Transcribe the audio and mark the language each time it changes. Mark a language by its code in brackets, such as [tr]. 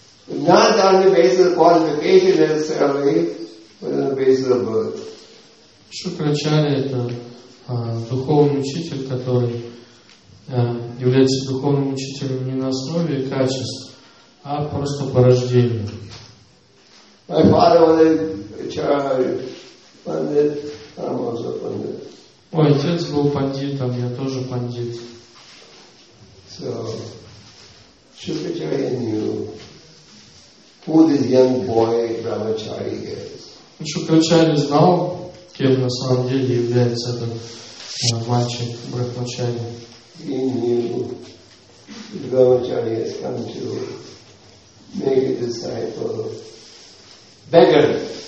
[en] Not on the basis of qualification necessarily, but on the basis of birth. [ru] Шукрачарья это духовный учитель, который является духовным учителем не на основе качеств, а просто по рождению. [en] My father was a charity pandit, I'm also a pandit. [ru] Мой отец был пандитом, я тоже пандит. [en] So, Shukracharya knew who this young boy Brahmachari is. [ru] Шукрачарья знал, кем на самом деле является этот мальчик Брахмачари. [en] He knew Brahmachari has come to make a disciple. Beggar.